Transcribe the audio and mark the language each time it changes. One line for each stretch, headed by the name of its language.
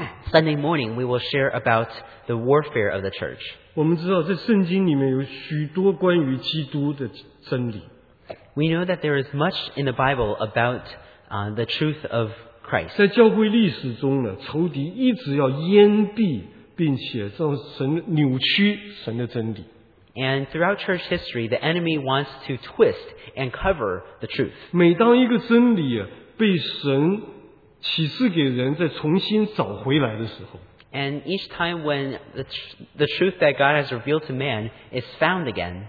English: Sunday morning, we will share about the warfare of the church.
Chinese: 我们知道，在圣经里面有许多关于基督的真理。
English: We know that there is much in the Bible about the truth of Christ.
Chinese: 在教会历史中呢，仇敌一直要掩蔽，并且让神扭曲神的真理。
English: And throughout church history, the enemy wants to twist and cover the truth.
Chinese: 每当一个真理被神启示给人，再重新找回来的时候，
English: and each time when the truth that God has revealed to man is found again,